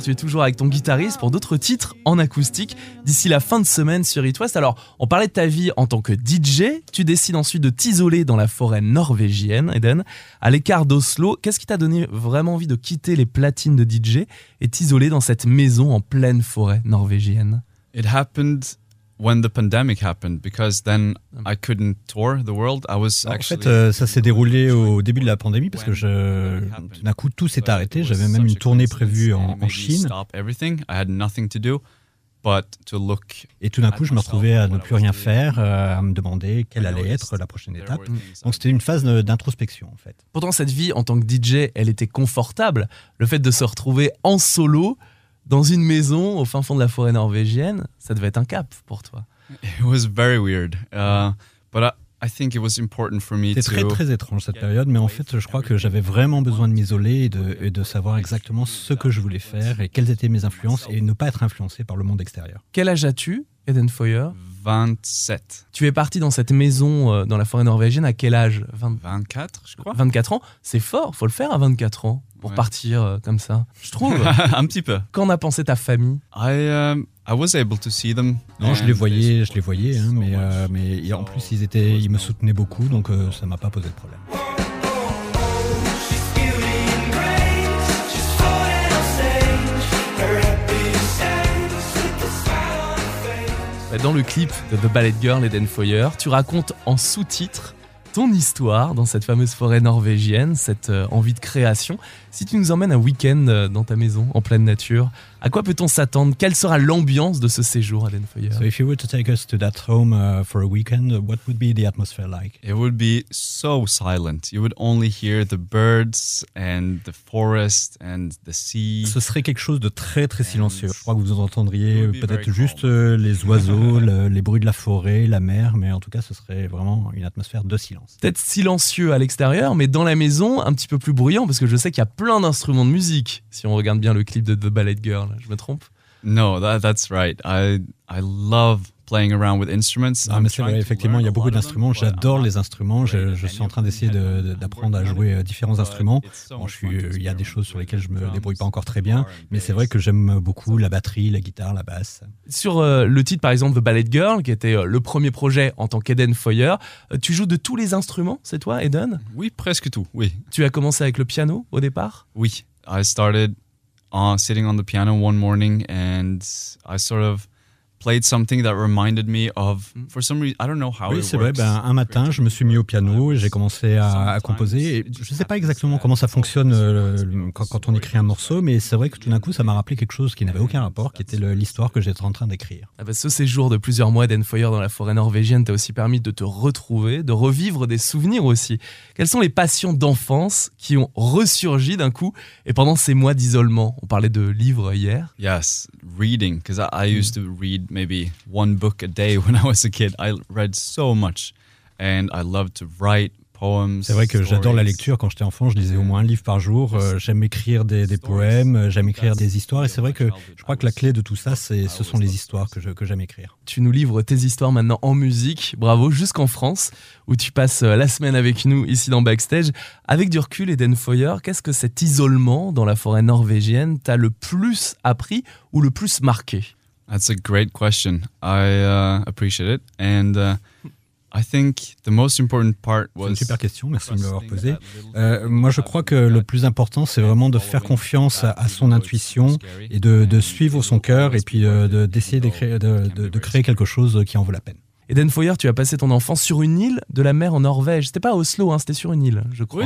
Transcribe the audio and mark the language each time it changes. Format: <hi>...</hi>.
<fr>Tu es toujours avec ton guitariste pour d'autres titres en acoustique d'ici la fin de semaine sur It West. Alors, on parlait de ta vie en tant que DJ. Tu décides ensuite de t'isoler dans la forêt norvégienne, Eden, à l'écart d'Oslo. Qu'est-ce qui t'a donné vraiment envie de quitter les platines de DJ et t'isoler dans cette maison en pleine forêt norvégienne?</fr> <en>It happened when the pandemic happened, because then I couldn't tour the world. I was actually.</en> <fr>En fait, ça s'est déroulé au début de la pandémie parce que d'un coup tout s'est arrêté. J'avais même une tournée prévue en Chine.</fr> <en>Stop everything. I had nothing to do but to look.</en> <fr>Et tout d'un coup, je me retrouvais à ne plus rien faire, à me demander quelle allait être la prochaine étape. Donc c'était une phase d'introspection en fait. Pourtant, cette vie en tant que DJ, elle était confortable. Le fait de se retrouver en solo dans une maison au fin fond de la forêt norvégienne, ça devait être un cap pour toi.</fr> <en>It was very weird, but I think it was important for me.</en> <fr>C'était très très étrange cette période, mais en fait, je crois que j'avais vraiment besoin de m'isoler et de savoir exactement ce que je voulais faire et quelles étaient mes influences et ne pas être influencé par le monde extérieur. Quel âge as-tu, Eden Foyer? 27. Tu es parti dans cette maison dans la forêt norvégienne à quel âge? 24, je crois. 24 ans, c'est fort, faut le faire à 24 ans. Pour partir comme ça, je trouve. Un petit peu. Qu'en a pensé ta famille?</fr> <en>I was able to see them.</en> <fr>Non, je les voyais, hein, mais en plus ils me soutenaient beaucoup, donc ça m'a pas posé de problème. Dans le clip de The Ballet Girl, Eden Foyer, tu racontes en sous-titre ton histoire dans cette fameuse forêt norvégienne, cette envie de création. Si tu nous emmènes un week-end dans ta maison, en pleine nature, à quoi peut-on s'attendre? Quelle sera l'ambiance de ce séjour à Den Foyer?</fr> <en>So if you were to take us to that home for a weekend, what would be the atmosphere like? It would be so silent. You would only hear the birds and the forest and the sea.</en> <fr>Ce serait quelque chose de très très silencieux. Je crois que vous entendriez peut-être juste les oiseaux, les bruits de la forêt, la mer, mais en tout cas ce serait vraiment une atmosphère de silence. Peut-être silencieux à l'extérieur, mais dans la maison, un petit peu plus bruyant, parce que je sais qu'il y a plein d'instruments de musique, si on regarde bien le clip de The Ballet Girl, je me trompe?</fr> <en>No, that's right. I love playing around with instruments.</en> <fr>Non, mais c'est vrai, effectivement, il y a beaucoup d'instruments, j'adore les instruments, je suis en train d'essayer d'apprendre à jouer différents instruments. Bon, il y a des choses sur lesquelles je ne me débrouille pas encore très bien, mais c'est vrai que j'aime beaucoup la batterie, la guitare, la basse. Sur le titre, par exemple, The Ballet Girl, qui était le premier projet en tant qu'Eden Foyer, tu joues de tous les instruments, c'est toi, Eden? Oui, presque tout, oui. Tu as commencé avec le piano au départ?</fr> <en>Oui, I started sitting on the piano one morning and I sort of played something that reminded me of, for some reason, I don't know how</en> <fr>oui,</fr> <en>it works.</en> <fr>Oui, c'est vrai, un matin, je me suis mis au piano et j'ai commencé à composer. Et je ne sais pas exactement comment ça fonctionne quand on écrit un morceau, mais c'est vrai que tout d'un coup, ça m'a rappelé quelque chose qui n'avait aucun rapport, qui était l'histoire que j'étais en train d'écrire. Ah bah, ce séjour de plusieurs mois d'Eden Foyer dans la forêt norvégienne t'a aussi permis de te retrouver, de revivre des souvenirs aussi. Quelles sont les passions d'enfance qui ont ressurgi d'un coup et pendant ces mois d'isolement? On parlait de livres hier.</fr> <en>Yes, reading, because I used to read maybe one book a day when I was a kid. I read so much and I loved to write poems.</en> <fr>C'est vrai que j'adore la lecture. Quand j'étais enfant, je lisais au moins un livre par jour. J'aime écrire des poèmes, j'aime écrire des histoires. Et c'est vrai que je crois que la clé de tout ça, ce sont les histoires que j'aime écrire. Tu nous livres tes histoires maintenant en musique. Bravo, jusqu'en France, où tu passes la semaine avec nous ici dans Backstage. Avec du recul, Eden Foyer, qu'est-ce que cet isolement dans la forêt norvégienne t'a le plus appris ou le plus marqué?</fr> <en>That's a great question. I appreciate it. And I think the most important part was...</en> <fr>C'est une super question, merci de me l'avoir posée. Moi, je crois que le plus important, c'est vraiment de faire confiance à son intuition et de suivre son cœur et puis d'essayer de créer quelque chose qui en vaut la peine. Eden Foyer, tu as passé ton enfance sur une île de la mer en Norvège. C'était pas à Oslo, hein, c'était sur une île, je crois.</fr>